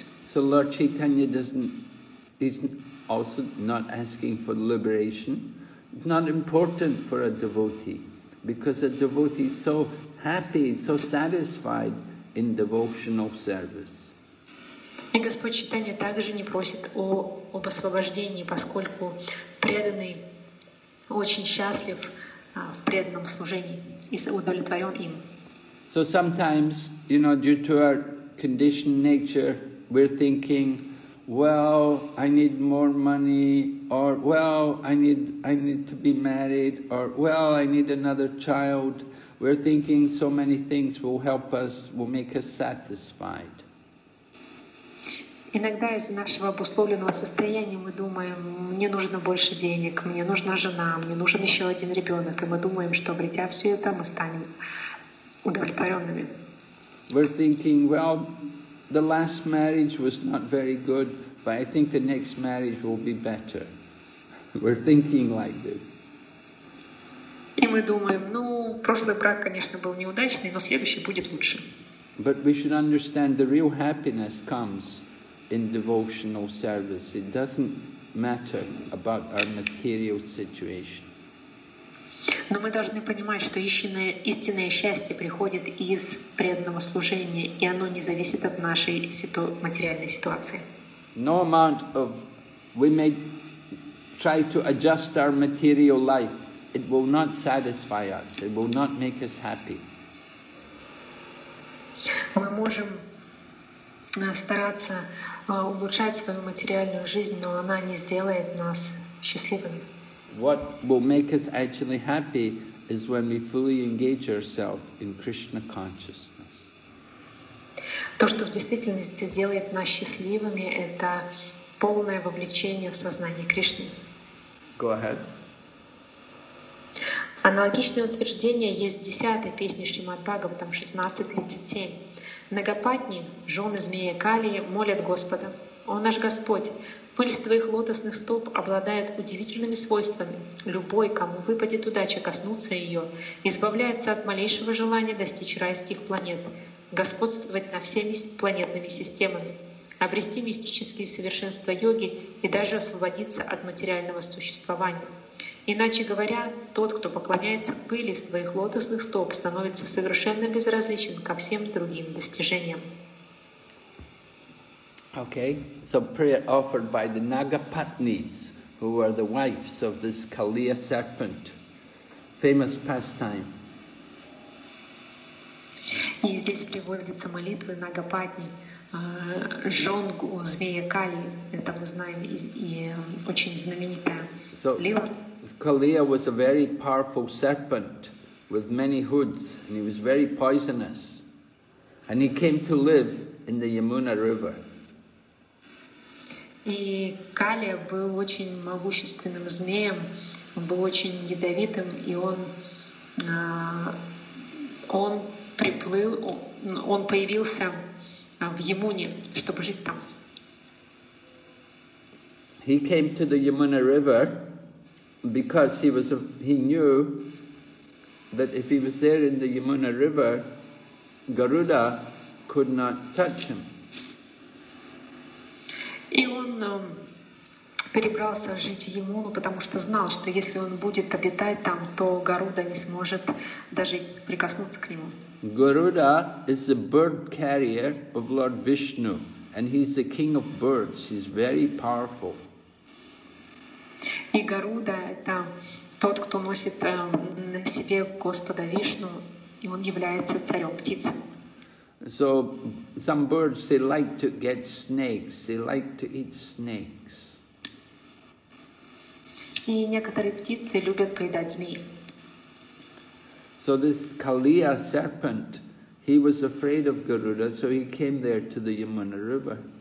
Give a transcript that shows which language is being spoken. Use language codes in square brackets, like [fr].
[en] So Lord Chaitanya is also not asking for liberation. It's not important for a devotee, because a devotee is so happy, so satisfied in devotional service. [ru] И Господь Чайтанья также не просит об освобождении, поскольку преданный очень счастлив в преданном служении и удовлетворен им. [en] So sometimes, you know, due to our conditioned nature, we're thinking, well, I need more money, or well, I need to be married, or well, I need another child. We're thinking so many things will help us, will make us satisfied. [ru] Иногда из-за нашего обусловленного состояния мы думаем: мне нужно больше денег, мне нужна жена, мне нужен еще один ребенок, и мы думаем, что обретя все это, мы станем удовлетворенными. [en] We're thinking, well, the last marriage was not very good, but I think the next marriage will be better. We're thinking like this. [ru] И мы думаем: ну, прошлый брак, конечно, был неудачный, но следующий будет лучше. [en] But we should understand the real happiness comes in devotional service. It doesn't matter about our material situation. [ru] Но мы должны понимать, что истинное счастье приходит из преданного служения, и оно не зависит от нашей материальной ситуации. [en] No amount of we may try to adjust our material life, it will not satisfy us. It will not make us happy. [ru] Мы можем стараться улучшать свою материальную жизнь, но она не сделает нас счастливыми. [en] What will make us actually happy is when we fully engage ourselves in Krishna consciousness. [ru] То, что в действительности делает нас счастливыми, это полное вовлечение в сознание Кришны. [en] Go ahead. [ru] Аналогичное утверждение есть в 10-й песне Шримад Бхагаватам 16.37. Нагопатни, жены змея Калии, молят Господа: «О наш Господь, пыль с твоих лотосных стоп обладает удивительными свойствами. Любой, кому выпадет удача коснуться ее, избавляется от малейшего желания достичь райских планет, господствовать над всеми планетными системами, обрести мистические совершенства йоги и даже освободиться от материального существования. Иначе говоря, тот, кто поклоняется пыли с твоих лотосных стоп, становится совершенно безразличен ко всем другим достижениям». [en] Okay, so prayer offered by the Nagapatnis, who are the wives of this Kaliya serpent, famous pastime. [ru] И здесь приводятся молитвы Нагапатни, жен змея Кали, это мы знаем, и очень знаменитая лила. [en] So, Kaliya was a very powerful serpent with many hoods, and he was very poisonous, and he came to live in the Yamuna River. [ru] И Калия был очень могущественным змеем, был очень ядовитым, и он появился в Ямуне, чтобы жить там. [en] He came to the Yamuna River because he knew that if he was there in the Yamuna River, Garuda could not touch him. [ru] И он перебрался жить в Ямуну, потому что знал, что если он будет обитать там, то Гаруда не сможет даже прикоснуться к нему. [en] Garuda is the bird carrier of Lord Vishnu, and he's the king of birds. He's very powerful. [ru] И Гаруда — это тот, кто носит на себе Господа Вишну, и он является царем птиц. [en] So some birds, they like to get snakes. They like to eat snakes. [ru] И некоторые птицы любят поедать змей. [en] So this Kaliya serpent, he was afraid of Garuda, so he came there to the Yamuna River.